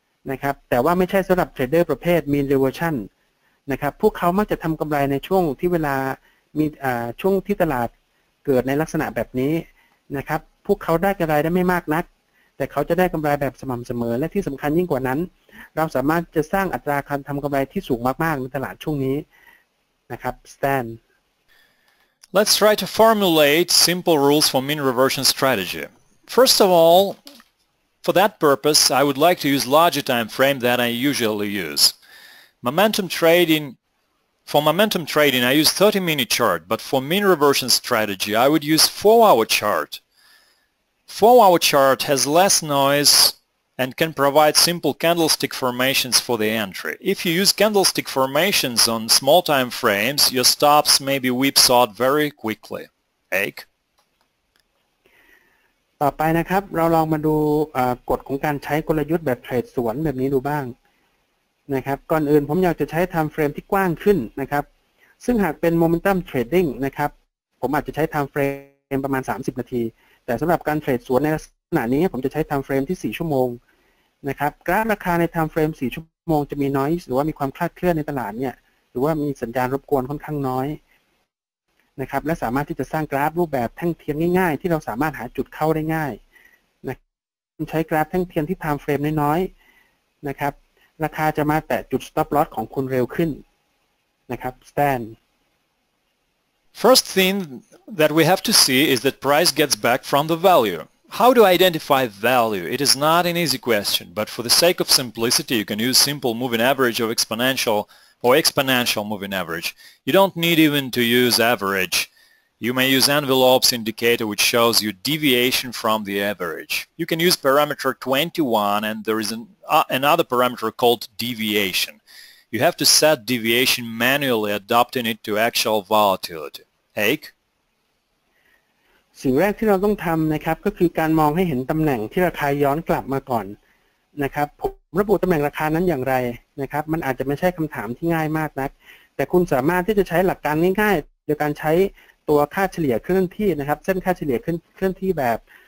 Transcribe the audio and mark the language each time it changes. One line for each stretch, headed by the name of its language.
Thai: นะครับแต่ว่าไม่ใช่สำหรับเทรดเดอร์ประเภทมีนรีเวอร์ชันนะครับพวกเขามักจะทำกำไรในช่วงที่เวลามีช่วงที่ตลาดเกิดในลักษณะแบบนี้นะครับพวกเขาได้กำไรได้ไม่มากนักแต่เขาจะได้กำไรแบบสม่ำเสมอและที่สำคัญยิ่งกว่านั้นเราสามารถจะสร้างอัตราการทำกำไรที่สูงมากๆในตลาดช่วงนี้นะครับ Stand
English: Let's try to formulate simple rules for mean reversion strategy. First of all, for that purpose, I would like to use larger time frame than I usually use. Momentum trading For momentum trading, I use 30-minute chart, but for mean reversion strategy, I would use 4-hour chart. 4-hour chart has less noise and can provide simple candlestick formations for the entry. If you use candlestick formations on small time frames, your stops may be whipsawed very quickly. Ake?
Thai: ต่อไปนะครับเราลองมาดูกฎของการใช้กลยุทธ์แบบเทรดสวนแบบนี้ดูบ้างนะครับก่อนอื่นผมอยากจะใช้ทำเฟรมที่กว้างขึ้นนะครับซึ่งหากเป็นโมเมนตัมเทรดดิ้งนะครับผมอาจจะใช้ทำเฟรมประมาณ30นาทีแต่สำหรับการเทรดสวนในลักษณะนี้ผมจะใช้ทำเฟรมที่4ชั่วโมงนะครับกราฟราคาในทำเฟรม4ชั่วโมงจะมีน้อยหรือว่ามีความคลาดเคลื่อนในตลาดเนี่ยหรือว่ามีสัญญาณรบกวนค่อนข้างน้อย นะครับและสามารถที่จะสร้างกราฟรูปแบบแท่งเทียนง่ายๆที่เราสามารถหาจุดเข้าได้ง่ายนะใช้กราฟแท่งเทียนที่ไทม์เฟรมน้อยๆนะครับราคาจะมาแตะจุด stop loss ของคุณเร็วขึ้นนะครับ stand
English: First thing that we have to see is that price gets back from the value. How do I identify value? It is not an easy question, but for the sake of simplicity, you can use simple moving average of exponential or exponential moving average. You don't need even to use average. You may use envelopes indicator which shows you deviation from the average. You can use parameter 21 and there is another parameter called deviation. You have to set deviation manually adapting it to actual volatility. Ake?
Thai: สิ่งแรกที่เราต้องทำนะครับก็คือการมองให้เห็นตำแหน่งที่ราคาย้อนกลับมาก่อนนะครับระบุตำแหน่งราคานั้นอย่างไรนะครับมันอาจจะไม่ใช่คำถามที่ง่ายมากนักแต่คุณสามารถที่จะใช้หลักการง่ายๆโดยการใช้ตัวค่าเฉลี่ยเคลื่อนที่นะครับเส้นค่าเฉลี่ยเคลื่อนที่แบบ